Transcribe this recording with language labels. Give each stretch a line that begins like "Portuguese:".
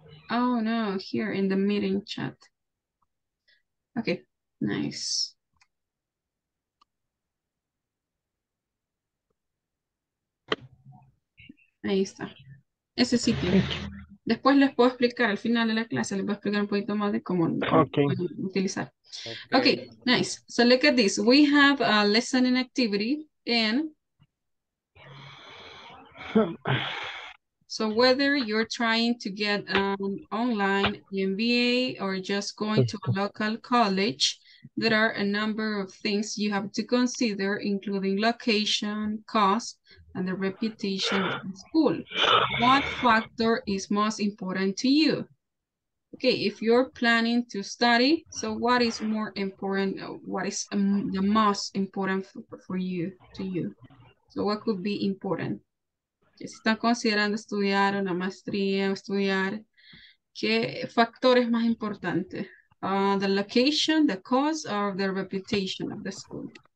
English: Oh, no. Here in the meeting chat. Okay. Nice.
Spanish: Ahí está. Ese sitio. Después les puedo explicar al final de la clase, les voy a explicar un poquito más de cómo utilizar.
English: Okay, nice. So look at this. We have a listening activity and so whether you're trying to get an online MBA or just going to a local college, there are a number of things you have to consider, including location, cost, and the reputation of the school. What factor is most important to you? Okay, if you're planning to study, so what is more important, what is the most important to you? So what could be important?
Spanish: Si están considerando estudiar una maestría o estudiar, ¿qué factor es más importante?
English: The location, the cost, or the reputation of the school?